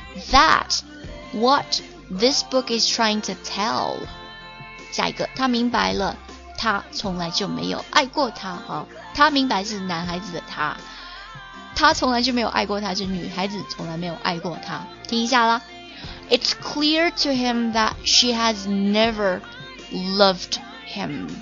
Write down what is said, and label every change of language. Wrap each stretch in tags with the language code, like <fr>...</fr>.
<en>That what this book is trying to tell。</en> <zh>下一个，他明白了他从来就没有爱过他。好，他明白是男孩子的他，他从来就没有爱过他，是女孩子从来没有爱过他。听一下啦，</zh> <en>It's clear to him that she has never loved him.</en>